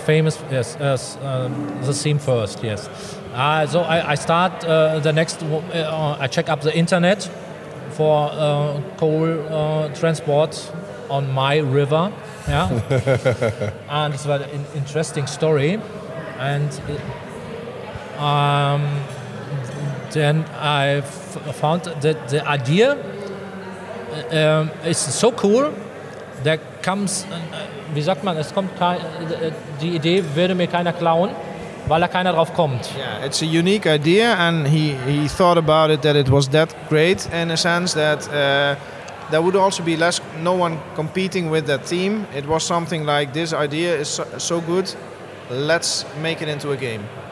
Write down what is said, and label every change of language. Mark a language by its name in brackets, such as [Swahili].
[English] Famous, yes, the theme first, yes. So I start the next, I check up the internet for Cole transport on my river, yeah. And it's an interesting story. And then I found that the idea is so cool that comes, [German] wie sagt man, es kommt die Idee würde mir keiner klauen, weil da keiner drauf kommt. [English] Yeah, it's a unique idea, and he thought about it that it was that great in a sense that there would also be less no one competing with that theme. It was something like this idea is so good, let's make it into a game.